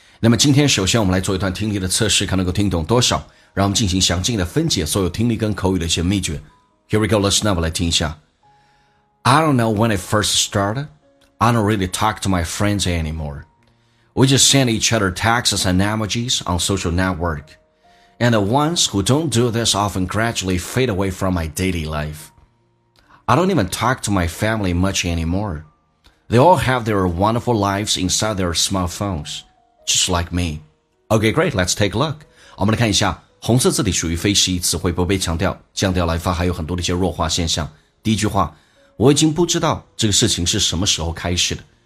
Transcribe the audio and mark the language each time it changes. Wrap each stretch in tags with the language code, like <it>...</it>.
<zh>那么今天首先我们来做一段听力的测试，看能够听懂多少，让我们进行详尽的分解所有听力跟口语的一些秘诀。</zh> <en>Here we go, listen up,</en> <zh>来听一下。</zh> <en>I don't know when it first started. I don't really talk to my friends anymore. We just send each other texts and emojis on social network. And the ones who don't do this often gradually fade away from my daily life. I don't even talk to my family much anymore. They all have their wonderful lives inside their smartphones, just like me. Okay, great, let's take a look.</en> <zh>我们来看一下，红色字体属于非习词汇，不被强调，降调来发还有很多的一些弱化现象。第一句话，我已经不知道这个事情是什么时候开始的。</zh>